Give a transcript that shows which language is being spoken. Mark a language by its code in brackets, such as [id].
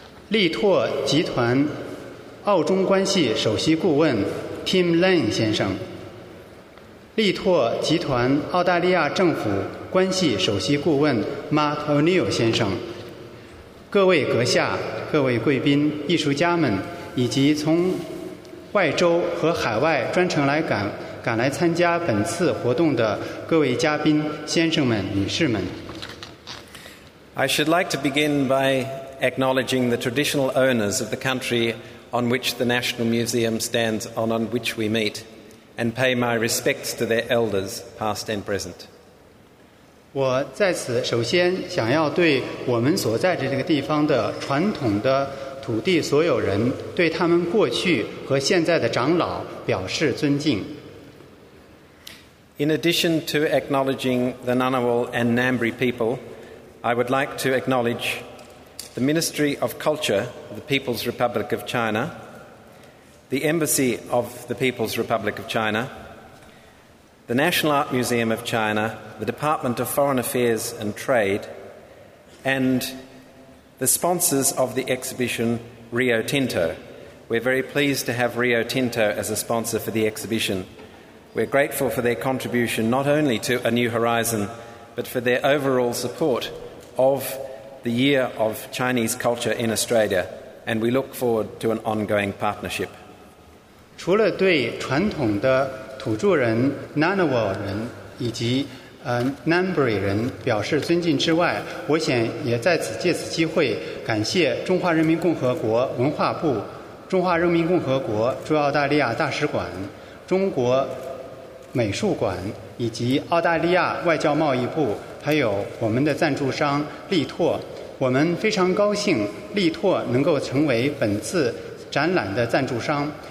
[zh] 力拓集团澳中关系首席顾问 Tim Lane 先生，力拓集团澳大利亚政府关系首席顾问 Mark O'Neill 先生，各位阁下，各位贵宾，艺术家们， 以及从外州和海外专程来赶来参加本次活动的各位嘉宾、先生们、女士们。 [en] I should like to begin by acknowledging the traditional owners of the country on which the National Museum stands and on which we meet, and pay my respects to their elders, past and present. [zh] 我在此首先想要对我们所在的这个地方的传统的 土地所有人对他们过去和现在的长老表示尊敬。 [en] In addition to acknowledging the Ngunnawal and Ngambri people, I would like to acknowledge the Ministry of Culture of the People's Republic of China, the Embassy of the People's Republic of China, the National Art Museum of China, the Department of Foreign Affairs and Trade, and the sponsors of the exhibition Rio Tinto. We're very pleased to have Rio Tinto as a sponsor for the exhibition. We're grateful for their contribution not only to A New Horizon, but for their overall support of the Year of Chinese Culture in Australia, and we look forward to an ongoing partnership. [zh] 除了对传统的土著人Ngunnawal人以及Ngunnawal人表示尊敬之外，我想也在此借此机会感谢中华人民共和国文化部、中华人民共和国驻澳大利亚大使馆、中国美术馆以及澳大利亚外交贸易部，还有我们的赞助商力拓。我们非常高兴力拓能够成为本次展览的赞助商。